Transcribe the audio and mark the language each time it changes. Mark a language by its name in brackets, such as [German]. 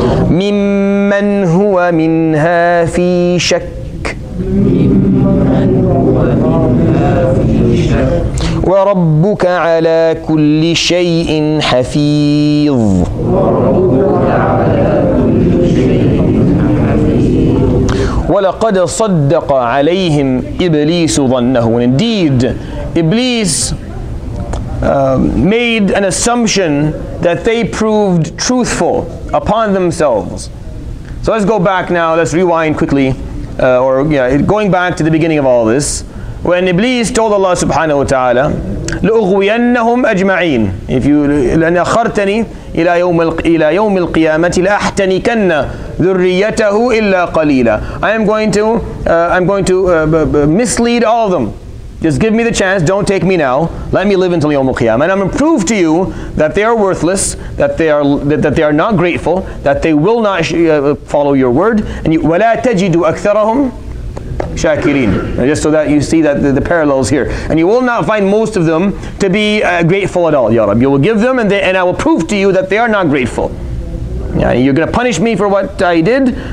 [Arabic] ممن هو منها في شك وربك على كل شيء حفيظ ولقد صدق عليهم إبليس ظنه. [English] And indeed, Iblis made an assumption that they proved truthful upon themselves. So let's go back now, let's rewind quickly going back to the beginning of all this, when Iblis told Allah subhanahu wa ta'ala, [Arabic] لأغوينهم أجمعين. [English] If you [Arabic] لن أخرتني إلى يوم إلى يوم القيامة لأحتنكن ذريته إلا قليلا. [English] I'm going to mislead all of them. Just give me the chance. Don't take me now. Let me live until يوم القيامة. And I'm going to prove to you that they are worthless, that they are not grateful, that they will not follow your word. And you [Arabic] ولا تجد أكثرهم شاكرين. [English] Just so that you see that the parallels here. And you will not find most of them to be grateful at all, Ya Rabbi. You will give them and I will prove to you that they are not grateful. Yeah, you're going to punish me for what I did.